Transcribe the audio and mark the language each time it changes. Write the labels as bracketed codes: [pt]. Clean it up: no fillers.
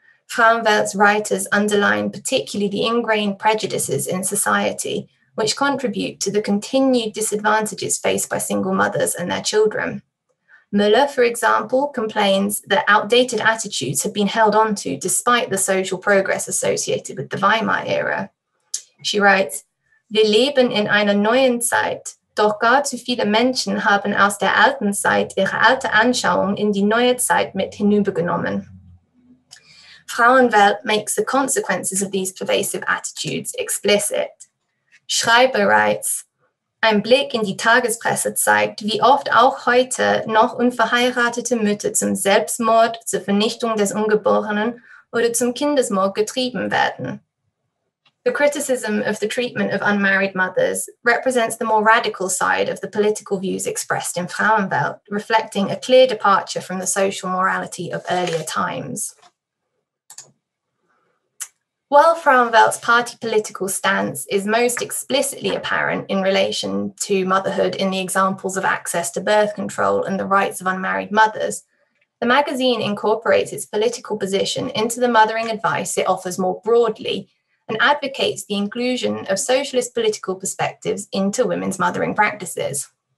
[en] Frauenwelt's writers underline particularly the ingrained prejudices in society, which contribute to the continued disadvantages faced by single mothers and their children. Müller, for example, complains that outdated attitudes have been held on to despite the social progress associated with the Weimar era. She writes, [de] "Wir leben in einer neuen Zeit. Doch gar zu viele Menschen haben aus der alten Zeit ihre alte Anschauung in die neue Zeit mit hinübergenommen." [en] Frauenwelt makes the consequences of these pervasive attitudes explicit. Schreiber writes, [de] "Ein Blick in die Tagespresse zeigt, wie oft auch heute noch unverheiratete Mütter zum Selbstmord, zur Vernichtung des Ungeborenen oder zum Kindesmord getrieben werden." [en] The criticism of the treatment of unmarried mothers represents the more radical side of the political views expressed in Frauenwelt, reflecting a clear departure from the social morality of earlier times. While Frauenwelt's party political stance is most explicitly apparent in relation to motherhood in the examples of access to birth control and the rights of unmarried mothers, the magazine incorporates its political position into the mothering advice it offers more broadly and advocates the inclusion of socialist political perspectives into women's mothering practices.